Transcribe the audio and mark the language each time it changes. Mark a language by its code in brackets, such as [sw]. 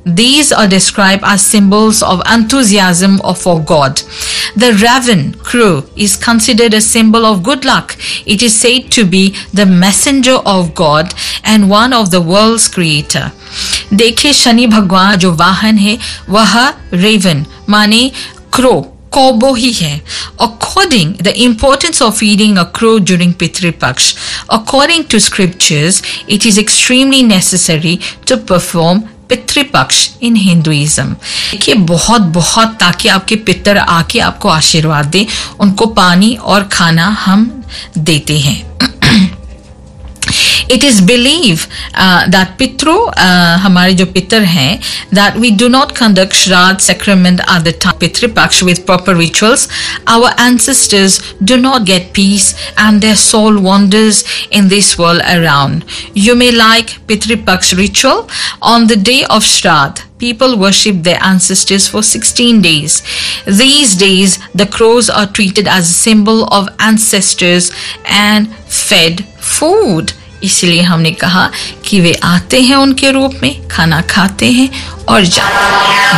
[en] These are described as symbols of enthusiasm for God. The raven crow is considered a symbol of good luck. It is said to be the messenger of God and one of the world's creator. [hi] देखे शनि भगवान जो वाहन है वह Raven माने crow कोबो ही है। [en] According the importance of feeding a crow during Pitrupaksha, according to scriptures it is extremely necessary to perform Pitrupaksha in Hinduism. [hi] देखिए बहुत बहुत ताकि आपके पितर आके आपको आशीर्वाद दे, उनको पानी और खाना हम देते हैं। [en] it is believe that [hi] पितृ हमारे जो पितर हैं [en] That we do not conduct Shraddha sacrament at the time Pitrupaksha with proper rituals our ancestors do not get peace and their soul wanders in this world around you may like Pitrupaksha ritual on the day of Shraddha People worship their ancestors for 16 days. These days, the crows are treated as a symbol of ancestors and fed food. [hi] इसलिए हमने कहा कि वे आते हैं उनके रूप में, खाना खाते हैं और जाते हैं।